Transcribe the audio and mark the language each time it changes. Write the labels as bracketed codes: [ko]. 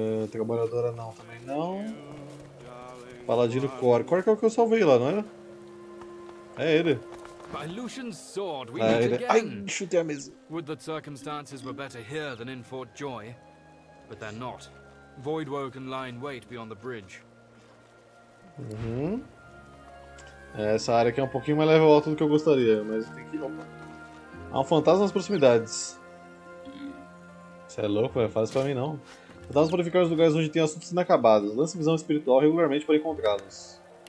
[pt] Trabalhadora não, também não. Paladino Cor. Cor que é o que eu salvei lá, não era? É ele. [en] By Lucian's sword, we meet ele. Again. [pt] Ai, chutei a mesa. [en] Would that circumstances were better here than in Fort Joy. But they're not. Voidwoke and lie in wait beyond the bridge. Uhum. [pt] Essa área aqui é um pouquinho mais level alto do que eu gostaria, mas tem que ir. Opa. Há um fantasma nas proximidades. Você é louco, velho? Fala isso pra mim, não. Fantasmas purificam os lugares onde tem assuntos inacabados. Lance visão espiritual regularmente para encontrá-los.